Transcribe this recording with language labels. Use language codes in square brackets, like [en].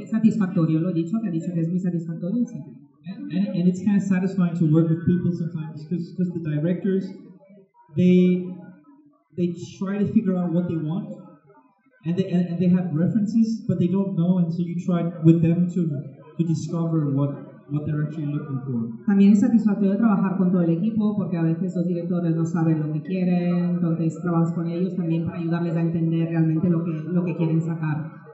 [es] es satisfactorio, lo he dicho, que ha dicho que es muy satisfactorio, sí. [en] And it's kind of satisfying to work with people sometimes because the directors they try to figure out what they want. And they have references, but they don't know, and so you try with them to discover what they're actually looking for. [es] También es satisfactorio trabajar con todo el equipo porque a veces los directores no saben lo que quieren, entonces trabajas con ellos también para ayudarles a entender realmente lo que quieren sacar.